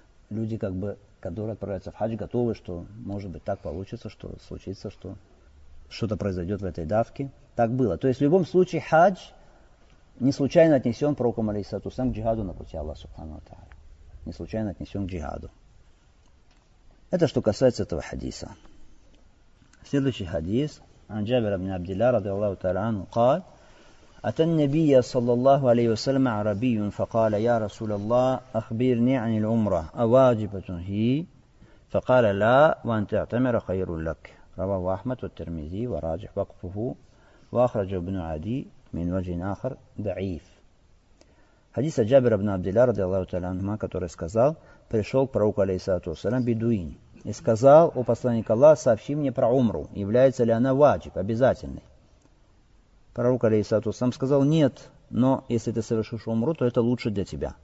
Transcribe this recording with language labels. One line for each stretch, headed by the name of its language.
Russian: Люди, как бы, которые отправляются в хадж, готовы, что может быть так получится, что случится, что что-то произойдет в этой давке. Так было. То есть в любом случае хадж не случайно отнесен пророком, алейхиссалату вассалям, к джихаду на пути Аллаха Субхану ва Тааля. Не случайно отнесен к джихаду. Это что касается этого хадиса. Следующий хадис.
Arabic: Ан Джабир ибн Абдилля радиаллаху тааля анху قال: أتى النبي صلى الله عليه وسلم عربي فقال يا رسول الله أخبرني عن العمرة أواجبة هي فقال لا وأن تعتمر خير لك. رواه أحمد والترمذي وراجح وقفه وأخرجه ابن عدي من وجه آخر ضعيف.
Russian: Хадис Джабир ибн Абдилля, радиаллаху та'аля анхума, который сказал, пришел к пророку, алейхиссалату вассалям, бедуин, и сказал, о посланник Аллаха, сообщи мне про умру, является ли она ваджиб, обязательной. Пророк, алейхиссалату вассалям, сказал, нет, но если ты совершишь умру, то это лучше для тебя.